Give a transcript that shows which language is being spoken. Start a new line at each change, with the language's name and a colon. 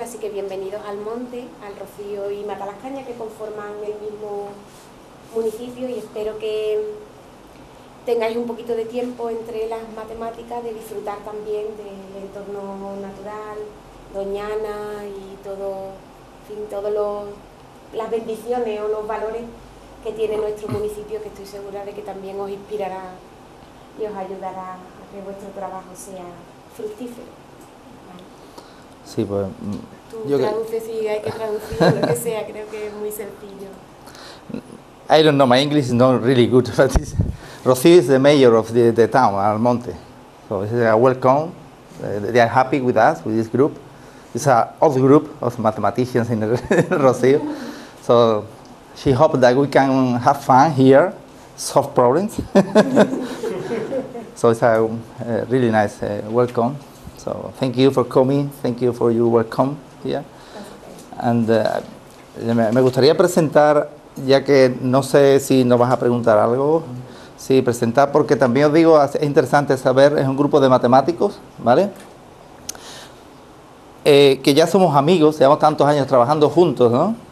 Spanish: Así que bienvenidos al Monte, al Rocío y Matalascaña, que conforman el mismo municipio, y espero que tengáis un poquito de tiempo entre las matemáticas de disfrutar también del entorno natural, Doñana y todo, en fin, todas las bendiciones o los valores que tiene nuestro municipio, que estoy segura de que también os inspirará y os ayudará a que vuestro trabajo sea fructífero. Sí, pues Tú yo que traduces si hay que traducir o lo que sea, creo que es muy sencillo.
English: don't know, my English is not really good, but this Rocío is the mayor of the town, Almonte. So this is a welcome. They are happy with us, with this group. It's a old group of mathematicians in Rocío. So she hopes that we can have fun here, solve problems. So it's a really nice welcome. So thank you for coming, thank you for your welcome here.
Spanish: And me gustaría presentar, ya que no sé si nos vas a preguntar algo, sí, presentar, porque también os digo, es interesante saber, es un grupo de matemáticos, ¿vale? Que ya somos amigos, llevamos tantos años trabajando juntos, ¿no?